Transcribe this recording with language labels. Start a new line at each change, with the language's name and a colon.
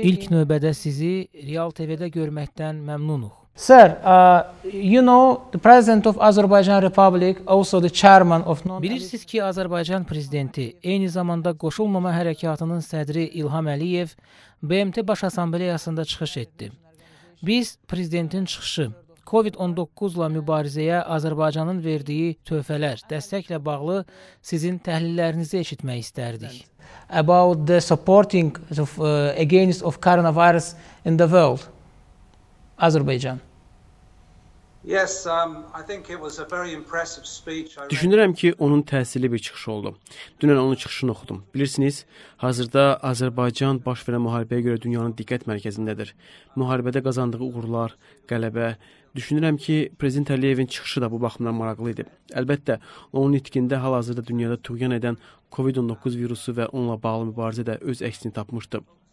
Azerbaijani: İlk növbədə sizi Real TV-də görməkdən məmnunuq.
English: Sir, you know, the president of Azerbaijan Republic, also the chairman of...
Azerbaijani: Bilirsiniz ki, Azərbaycan prezidenti, eyni zamanda Qoşulmama Hərəkatının sədri İlham Əliyev, BMT Baş Assambleyasında çıxış etdi. Biz prezidentin çıxışı, COVID-19-la mübarizəyə Azərbaycanın verdiyi töhfələr, dəstəklə bağlı sizin təhlillərinizi eşitmək istərdik.
English: About the supporting of, against of coronavirus in the world, Azerbaijan. Yes, I think it was a very impressive speech.
Azerbaijani: Düşünürəm ki, onun təsirli bir çıxışı oldu. Dünən onun çıxışını oxudum. Bilirsiniz, hazırda Azərbaycan baş verən müharibəyə görə dünyanın diqqət mərkəzindədir. Müharibədə qazandığı uğurlar, qələbə. Düşünürəm ki, Prezident Əliyevin çıxışı da bu baxımdan maraqlı idi. Əlbəttə, onun nitqində hal-hazırda dünyada tuğyan edən COVID-19 virusu və onunla bağlı mübarizə də öz əksini tapmışdı.